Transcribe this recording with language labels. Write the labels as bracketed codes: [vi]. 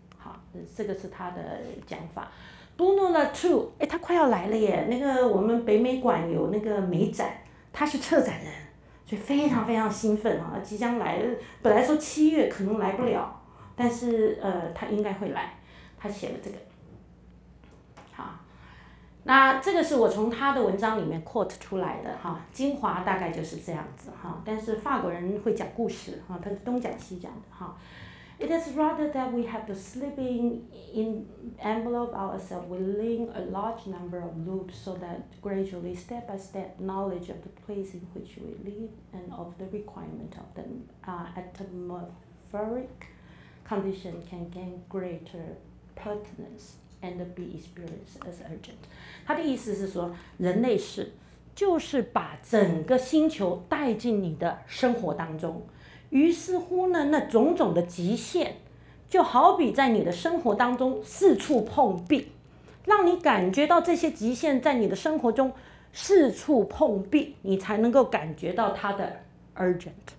[zh] 好，这个是他的讲法。Bruno Latour 他快要来了耶，那个我们北美馆有那个美展，他是策展人，所以非常非常兴奋啊，即将来，本来说七月可能来不了，但是他应该会来，他写了这个。那这个是我从他的文章里面 quote 出来的哈，精华大概就是这样子哈。但是法国人会讲故事哈，他是东讲西讲的哈。 [en] It is rather that we have the slipping in envelope ourselves within a large number of loops so that gradually, step by step, knowledge of the place in which we live and of the requirement of the atmospheric condition can gain greater pertinence. And be experienced as urgent. [zh] 他的意思是说，人类是就是把整个星球带进你的生活当中，于是乎呢，那种种的极限就好比在你的生活当中四处碰壁，让你感觉到这些极限在你的生活中四处碰壁，你才能够感觉到它的 urgent。